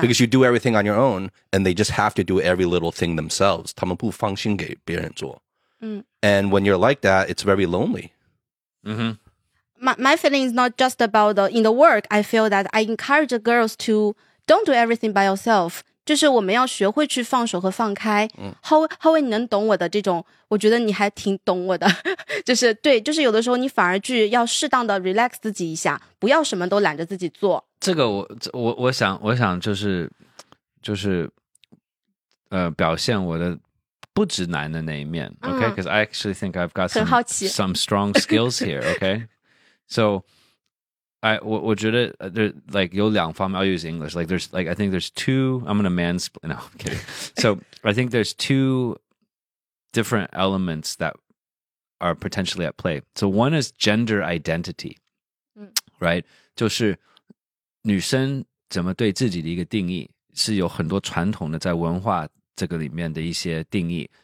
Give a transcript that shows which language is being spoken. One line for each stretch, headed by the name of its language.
English: Because you do everything on your own, and they just have to do every little thing themselves.
Chinese: 他们不放心给别人做。嗯。
English: And when you're like that, it's very lonely. Mm-hmm. My feeling is not just about the, in the work. I feel that I encourage the girls to don't do everything by yourself.
Chinese: 就是我们要学会去放手和放开。浩威你能懂我的这种，我觉得你还挺懂我的。就是对，就是有的时候你反而去要适当的 relax 自己一下，不要什么都揽着自己做。这个我想就是表现我的不直男的那一面。
English: OK, because I actually think I've got some strong skills here, OK? So,
Chinese: 我觉得
English: there, like,
Chinese: 有两方面
English: I'll use English. Like, there's, like, I think there's two, I'm going to mansplain, no, I'm kidding. So I think there's two different elements that are potentially at play. So one is gender identity,right?
Chinese: 就是女生怎么对自己的一个定义是有很多传统的在文化这个里面的一些定义。